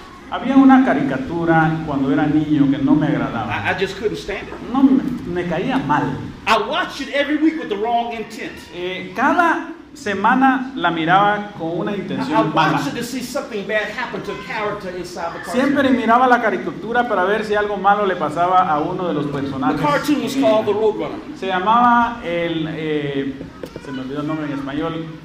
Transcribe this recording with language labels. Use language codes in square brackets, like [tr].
[es] Había una caricatura cuando era niño que no me agradaba. [en] I just couldn't stand it. [es] No, me caía mal. [en] I watched it every week with the wrong intent. [es] Cada semana la miraba con una intención mala. [en] I wanted to see something bad happen to a character inside the cartoon. [es] Siempre miraba la caricatura para ver si algo malo le pasaba a uno de los personajes. [en] The cartoon was called The Roadrunner. [es] Se llamaba el se me olvidó el nombre en español.